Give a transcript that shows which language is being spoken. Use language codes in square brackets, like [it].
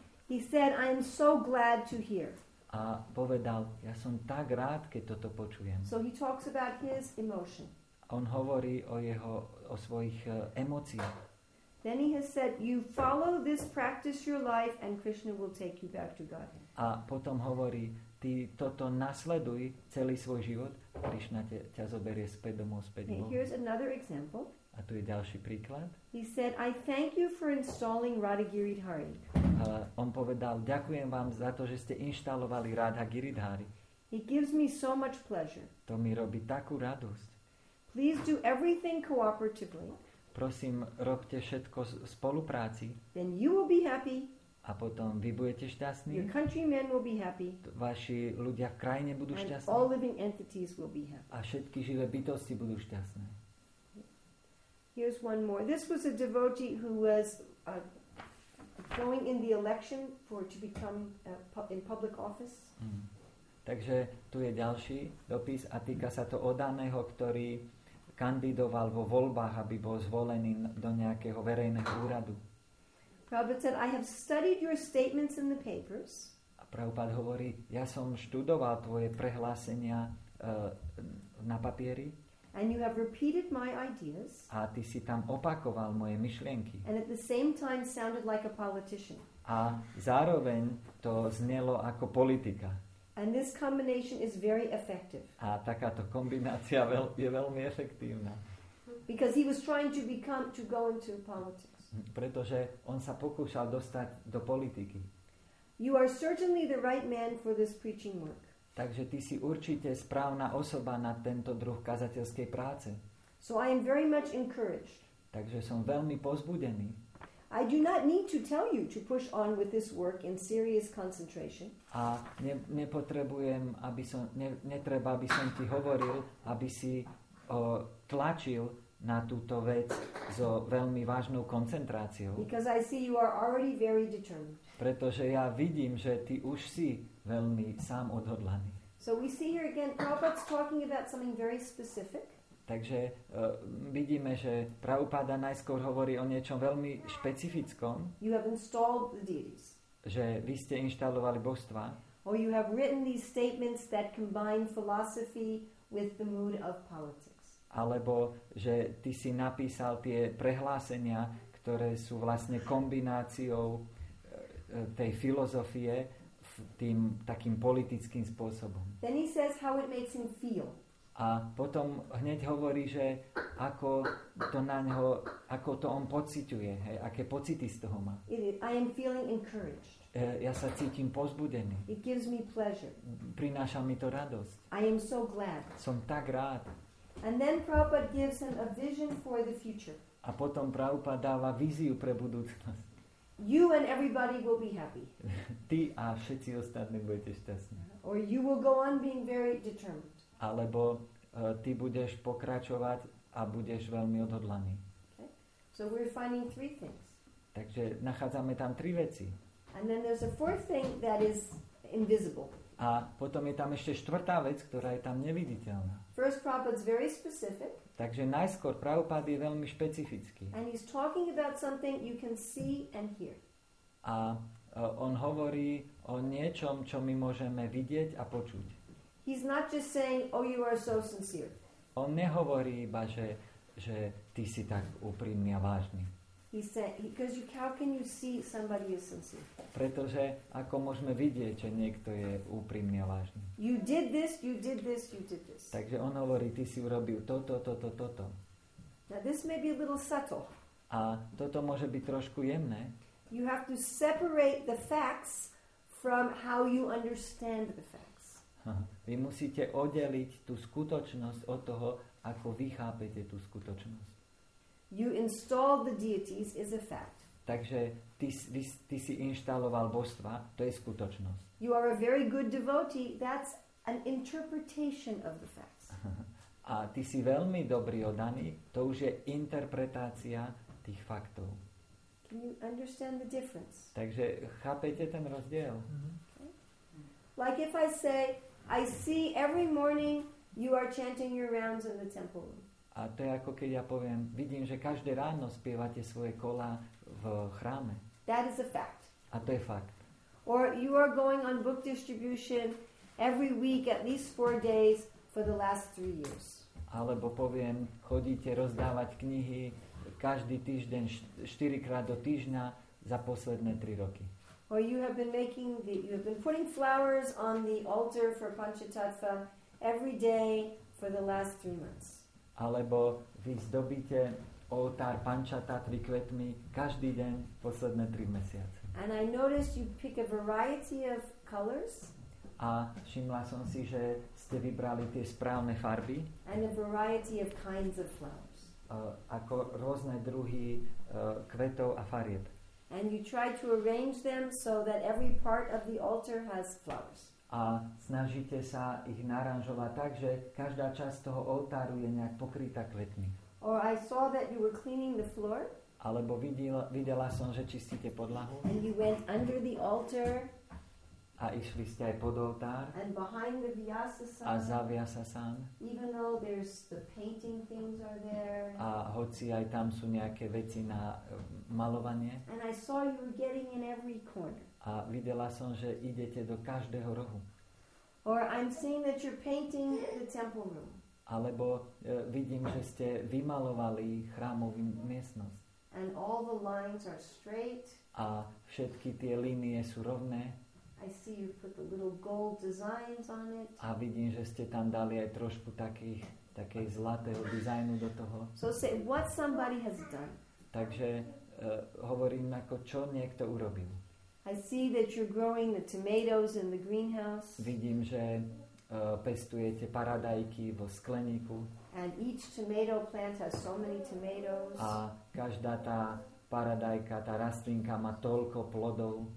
[en] He said, I am so glad to hear. [sk] A povedal, ja som tak rád, keď toto počujem. [en] So he talks about his emotion. [sk] On hovorí o svojich emóciách. [en] Then he has said, you follow this practice your life and Krishna will take you back to God. [sk] A potom hovorí, ty toto nasleduj celý svoj život, Krishna ťa zoberie späť domov, späť Bohu. [en] Here's another example. [sk] A tu je ďalší príklad. [en] He said, I thank you for installing Radha Giridhari. [sk] On povedal, ďakujem vám za to, že ste inštalovali Radha Giridhari. [en] It gives me so much pleasure. [sk] To mi robí takú radosť. [en] Please do everything cooperatively. [sk] Prosím, robte všetko v spolupráci. [en] Then you will be happy. [sk] A potom vy budete šťastní. [en] Your countrymen will be happy. [sk] Vaši ľudia v krajine budú [en] and [sk] šťastní. [en] All living entities will be happy. [sk] A všetky živé bytosti budú šťastné. [en] Here's one more. This was a devotee who was going in the election for to become in public office. [sk] Takže tu je ďalší dopis a týka sa to oddaného, ktorý kandidoval vo voľbách, aby bol zvolený do nejakého verejného úradu. [en] Prabhupada said, I have studied your statements in the papers. [sk] A Prabhupada hovorí, ja som študoval tvoje prehlásenia na papieri. [en] And you have repeated my ideas. [sk] A ty si tam opakoval moje myšlienky. [en] And at the same time sounded like a politician. [sk] A zároveň to znelo ako politika. [en] And this combination is very effective. [sk] A takáto kombinácia je veľmi efektívna. [en] Because he was trying to become to go into politics. [sk] Pretože on sa pokúšal dostať do politiky. [en] You are certainly the right man for this preaching work. [sk] Takže ty si určite správna osoba na tento druh kazateľskej práce. [en] So I am very much encouraged. [sk] Takže som veľmi povzbudený. [en] I do not need to tell you to push on with this work in serious concentration. [sk] A nepotrebujem, aby som netreba, aby som ti hovoril, aby si tlačil na túto vec so veľmi vážnou koncentráciou. [en] Because I see you are already very determined. [sk] Pretože ja vidím, že ty už si veľmi sám odhodlaný. [en] So we see here again Prabhupada's talking about something very specific. [sk] Takže vidíme, že Prabhupada najskôr hovorí o niečom veľmi špecifickom. [en] You have installed the deities. [sk] Že vy ste inštalovali božstva. [en] Or you have written these statements that combine philosophy with the mood of politics. [sk] Alebo že ty si napísal tie prehlásenia, ktoré sú vlastne kombináciou tej filozofie v tým takým politickým spôsobom. [en] Then he says how it makes him feel. [sk] A potom hneď hovorí, že ako to na neho, ako to on pociťuje, hej, aké pocity z toho má. [en] I am feeling encouraged. [sk] Ja sa cítim povzbudený. [en] It gives me pleasure. [sk] Prináša mi to radosť. [en] I am so glad. [sk] Som tak rád. [en] And then Prabhupada gives him a vision for the future. [sk] A potom Prabhupada dáva víziu pre budúcnosť. [en] You and everybody will be happy. [sk] Ty a všetci ostatní budete šťastní. [en] Or you will go on being very determined. [sk] Alebo ty budeš pokračovať a budeš veľmi odhodlaný. [en] Okay. So we're finding three things. [sk] Takže nachádzame tam tri veci. [en] And then there's a fourth thing that is invisible. [sk] A potom je tam ešte štvrtá vec, ktorá je tam neviditeľná. [en] First Prabhupada's very specific. [sk] Takže najskôr Prabhupada je veľmi špecifický. [en] And he's talking about something you can see and hear. [sk] A on hovorí o niečom, čo my môžeme vidieť a počuť. [en] He's not just saying, oh, you are so sincere. [sk] On nehovorí iba, že ty si tak úprimný a vážny. [en] He said, because how can you see somebody is sincere? [sk] Pretože ako môžeme vidieť, že niekto je úprimný a vážny. [en] You did this, you did this, you did this. [sk] Takže on hovorí, ty si urobil toto, toto, toto. [en] Now this may be a little subtle. [sk] A toto môže byť trošku jemné. [en] You have to separate the facts from how you understand the facts. [sk] Vy musíte oddeliť tú skutočnosť od toho, ako vy chápete tú skutočnosť. [en] You installed the deities is a fact. [sk] Takže ty si inštaloval božstva, to je skutočnosť. [en] You are a very good devotee, that's an interpretation of the facts. [sk] A ty si veľmi dobrý oddaný, to už je interpretácia tých faktov. [en] Can you understand the difference? [sk] Takže chápete ten rozdiel? [en] Like if I say, I see every morning you are chanting your rounds in the temple room. [sk] A to je ako keď ja poviem, vidím, že každé ráno spievate svoje kolá v chráme. [en] That is a fact. [sk] A to je fakt. [en] Or you are going on book distribution every week at least 4 days for the last 3 years. [sk] Alebo poviem, chodíte rozdávať knihy každý týždeň 4 krát do týždňa za posledné 3 roky. [en] Or you have been putting flowers on the altar for Panchatattva every day for the last 3 months. [sk] Alebo vy zdobíte oltár Panchatattvy kvetmi každý deň posledné 3 mesiace. [en] And I noticed you pick a variety of colors. [sk] A všimla som si, že ste vybrali tie správne farby. [en] And a variety of kinds of flowers. [sk] Ako rôzne druhy kvetov a farieb. [en] And you try to arrange them so that every part of the altar has flowers. [sk] A snažíte sa ich naranžovať tak, že každá časť toho oltáru je nejak pokrytá kvetmi. [en] Or I saw that you were cleaning the floor. [sk] Alebo videla som, že čistíte podlahu. [en] And you went under the altar [sk] A išli ste aj pod oltár. [en] And behind the Vyasa san. [sk] A za Vyasa san. [en] Even though there's the painting things are there. [sk] A hoci aj tam sú nejaké veci na malovanie. [en] And I saw you were getting in every corner. [sk] A videla som, že idete do každého rohu. [en] Or I'm seeing that you're painting the temple room. [sk] Alebo vidím, že ste vymalovali chrámovú miestnosť. [en] And all the lines are straight. [sk] A všetky tie línie sú rovné. [en] I see you put the little gold designs on it. [sk] A vidím, že ste tam dali aj trošku takej zlatého dizajnu do toho. [en] So say what somebody has done. [sk] Takže hovorím, ako čo niekto urobil. [en] I see that you're growing the tomatoes in the greenhouse. [sk] Vidím, že pestujete paradajky vo skleníku. [en] And each tomato plant has so many tomatoes. [sk] A každá tá paradajka, tá rastlinka má toľko plodov.